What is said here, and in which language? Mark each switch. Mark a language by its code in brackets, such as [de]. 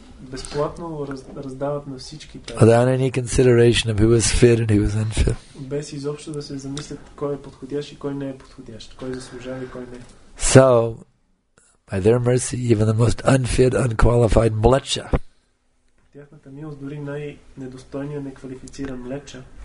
[bg] Безплатно раздават на всички. [en] Without any consideration of who is fit and who is unfit. [bg] Без изобщо да се замислят кой е подходящ и кой не е подходящ, кой заслужава и кой не. [en] So, by their mercy, even the most unfit, unqualified mlecha. [bg] Тяхната милост дори най-недостойният, неквалифициран млеча.